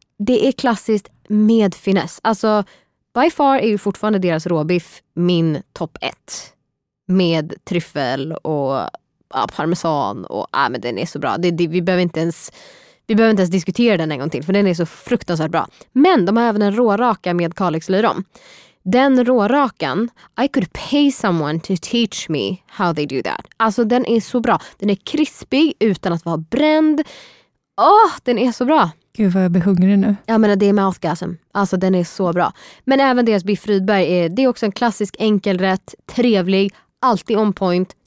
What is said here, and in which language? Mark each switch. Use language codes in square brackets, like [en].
[sv] Det är klassiskt med finess. Alltså, [en] by far [sv] är ju fortfarande deras råbiff min topp 1. Med tryffel och parmesan. Men den är så bra. Vi behöver inte ens diskutera den en gång till, för den är så fruktansvärt bra. Men de har även en råraka med kalixlyrom. Den rårakan, [en] I could pay someone to teach me how they do that. [sv] Alltså, den är så bra. Den är krispig utan att vara bränd. Åh, den är så bra. Gud vad jag blir hungrig nu. Ja, men det är mouthgasm. Alltså, den är så bra. Men även deras biff Rydberg, det är också en klassisk enkelrätt, trevlig, alltid on point.